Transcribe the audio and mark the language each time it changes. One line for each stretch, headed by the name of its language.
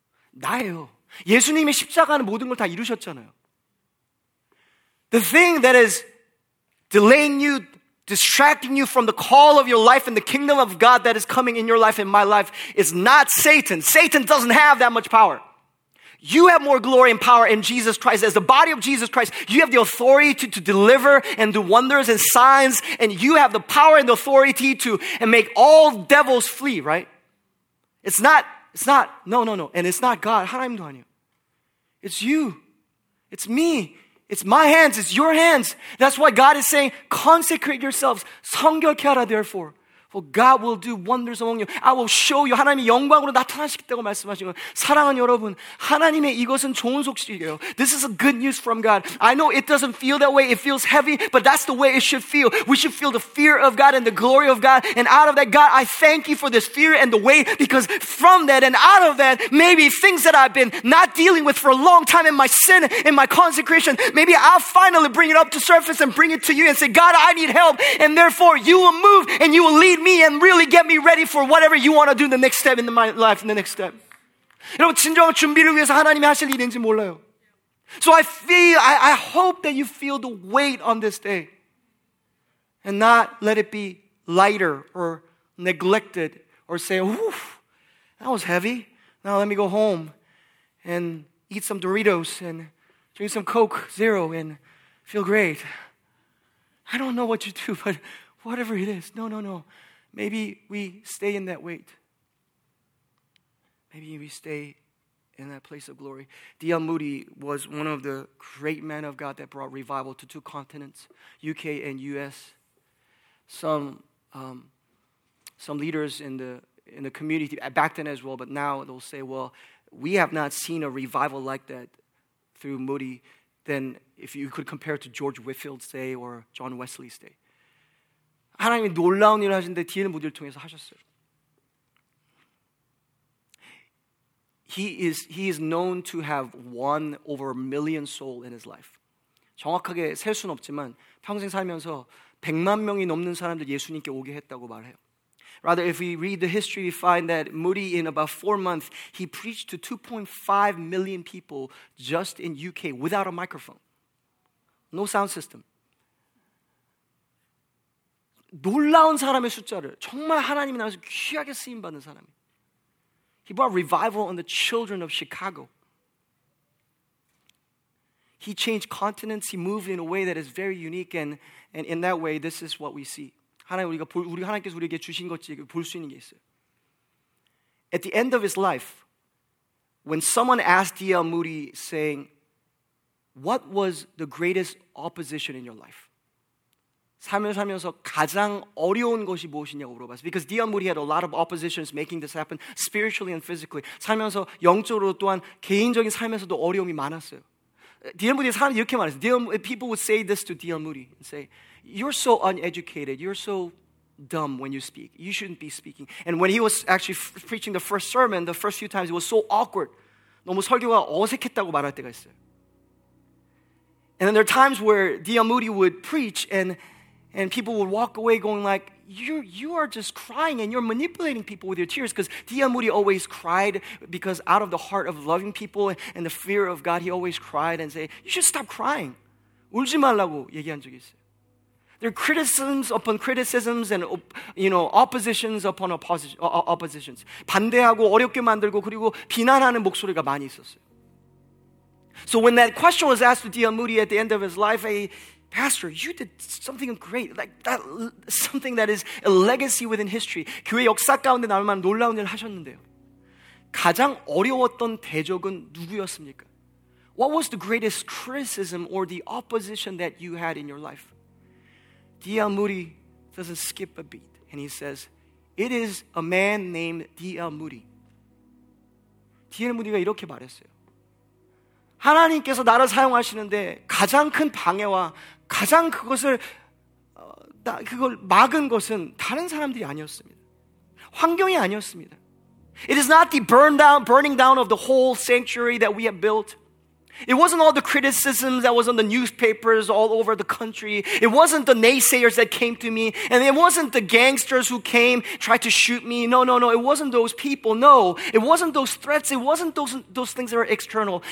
Korean: 나예요. 예수님의 십자가는 모든 걸 다 이루셨잖아요.
English: The thing that is delaying you, distracting you from the call of your life and the kingdom of God that is coming in your life and my life is not Satan. Satan doesn't have that much power. You have more glory and power in Jesus Christ. As the body of Jesus Christ, you have the authority to deliver and do wonders and signs, and you have the power and the authority to and make all devils flee, right? It's not. And it's not God.
Korean: 하나님도 아니에요.
English: It's you. It's me. It's my hands, it's your hands. That's why God is saying, consecrate yourselves.
Korean: 성결케하라,
English: therefore. For God will do wonders among you. I will show you.
Korean: 하나님이 영광으로 나타나시겠다고 말씀하신 거예요. 사랑하는 여러분, 하나님의 이것은 좋은 소식이에요.
English: This is a good news from God. I know it doesn't feel that way. It feels heavy, but that's the way it should feel. We should feel the fear of God and the glory of God. And out of that, God, I thank you for this fear and the weight, because from that and out of that, maybe things that I've been not dealing with for a long time in my sin, in my consecration, maybe I'll finally bring it up to surface and bring it to you and say, God, I need help. And therefore, you will move and you will lead take me and really get me ready for whatever you want to do in the next step in my life, in the next step.
Korean: 여러분, 진정한 준비를 위해서 하나님이 하실 일인지 몰라요.
English: So I hope that you feel the weight on this day and not let it be lighter or neglected or say, "Oof, that was heavy. Now let me go home and eat some Doritos and drink some Coke Zero and feel great." I don't know what you do, but whatever it is, no, no, no. Maybe we stay in that weight. Maybe we stay in that place of glory. D.L. Moody was one of the great men of God that brought revival to two continents, UK and US. Some leaders in the community back then as well, but now they'll say, well, we have not seen a revival like that through Moody than if you could compare it to George Whitefield's day or John Wesley's day.
Korean: 하나님이 놀라운 일을 하신데 D.L. Moody를 통해서 하셨어요.
English: He is known to have won over a million souls in his life.
Korean: 정확하게 셀 수는 없지만 평생 살면서 100만 명이 넘는 사람들 예수님께 오게 했다고 말해요.
English: Rather, if we read the history, we find that Moody, in about 4 months, he preached to 2.5 million people just in UK without a microphone. No sound system.
Korean: 놀라운 사람의 숫자를, 정말 하나님이 나와서 귀하게 쓰임받는 사람이.
English: He brought revival on the children of Chicago. He changed continents. He moved in a way that is very unique. And in that way, this is what we see.
Korean: 하나님 우리가 볼, 우리 하나님께서 우리에게 주신 것지 볼 수 있는 게 있어요.
English: At the end of his life, when someone asked D.L. Moody, saying, "What was the greatest opposition in your life?"
Korean: 삶을 살면서 가장 어려운 것이 무엇이냐고 물어봤어요.
English: Because D.L. Moody had a lot of oppositions making this happen, spiritually and physically.
Korean: 살면서 영적으로 또한 개인적인 삶에서도 어려움이 많았어요.
English: D.L. Moody
Korean: 사람이 이렇게 말했어요.
English: People would say this to D.L. Moody and say, "You're so uneducated. You're so dumb when you speak. You shouldn't be speaking." And when he was actually preaching the first sermon, the first few times, it was so awkward.
Korean: 너무 설교가 어색했다고 말할 때가 있어요.
English: And then there are times where D.L. Moody would preach and people would walk away going like, you are just crying and you're manipulating people with your tears. Because D.L. Moody always cried because out of the heart of loving people and the fear of God, he always cried and said, "You should stop crying.
Korean: 울지 말라고 얘기한 적이 있어요.
English: There are criticisms upon criticisms and, you know, oppositions upon oppositions.
Korean: 반대하고 어렵게 만들고 그리고 비난하는 목소리가 많이 있었어요.
English: So when that question was asked to D.L. Moody at the end of his life, "Hey, pastor, you did something great, like that, something that is a legacy within history.
Korean: 교회 역사 가운데 남을 만한 놀라운 일을 하셨는데요. 가장 어려웠던 대적은 누구였습니까?
English: What was the greatest criticism or the opposition that you had in your life?" D.L. Moody doesn't skip a beat. And he says, "It is a man named D.L.
Korean: Moody." D.L. Moody가 이렇게 말했어요. 하나님께서 나를 사용하시는데 가장 큰 방해와 가장 그것을 그걸 막은 것은 다른 사람들이 아니었습니다. 환경이 아니었습니다.
English: It is not the burning down of the whole sanctuary that we have built. It wasn't all the criticisms that was on the newspapers all over the country. It wasn't the naysayers that came to me. And it wasn't the gangsters who came, tried to shoot me. No, no, no. It wasn't those people. No. It wasn't those threats. It wasn't those things that were external.